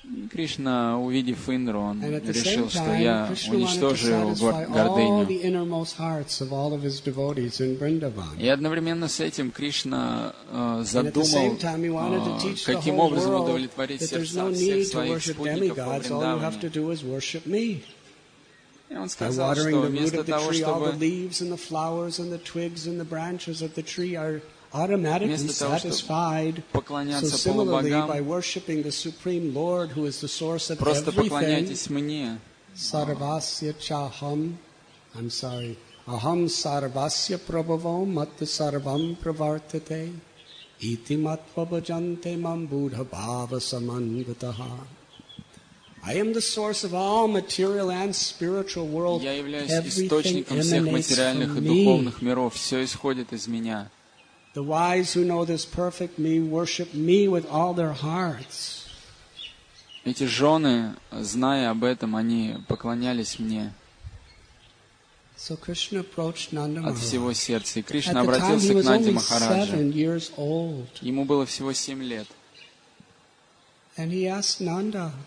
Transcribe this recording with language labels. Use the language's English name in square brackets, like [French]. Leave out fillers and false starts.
[Russian] Кришна, увидев Индру, он решил, что я уничтожу гордыню. И одновременно с этим Кришна задумал, каким образом удовлетворить сердца всех своих спутников во Вриндаване. [English] Watering the root of the tree, all the leaves and the flowers and the twigs and the branches of the tree are automatically satisfied. So similarly, by worshipping the Supreme Lord, who is the source of everything, [Sanskrit] sarvasya chaham, [English] I'm sorry, [Sanskrit] aham sarvasya prabhavam, matta sarvam pravartate, iti matva bhajante mam buddha bhava samanvataha. [English] I am the source of all material and spiritual world. [Russian] Я являюсь источником всех материальных и духовных миров. Все исходит из меня. [English] The wise who know this perfect me worship me with all their hearts. [Russian] Эти жены, зная об этом, они поклонялись мне. [English] So Krishna approached Nanda Maharaj. [Russian] От всего сердца. И Кришна обратился к Нанде Махараджу. [English] Seven years old. [Russian] Ему было всего 7 лет. [English] And he asked Nanda,